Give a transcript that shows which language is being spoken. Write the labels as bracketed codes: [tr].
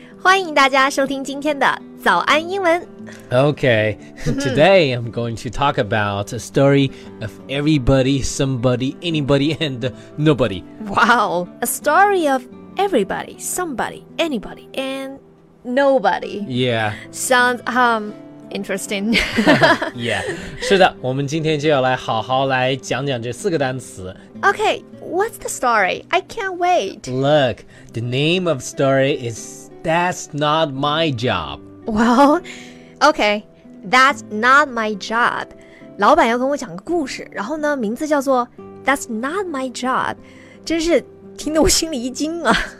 [zh] 欢迎大家收听今天的早安英文。 [en] Okay, today I'm going to talk about a story of everybody, somebody, anybody, and nobody. Wow, a story of everybody, somebody, anybody, and nobody. Yeah. Sounds interesting. [zh] Yeah, 是的，我们今天就要来好好来讲讲这四个单词。 [en] Okay, what's the story? I can't wait. Look, the name of story is That's Not My Job. Well, okay, that's not my job. [zh] 老板要跟我讲个故事，然后呢，名字叫做 [en] That's not my job. [zh] 真是听得我心里一惊啊。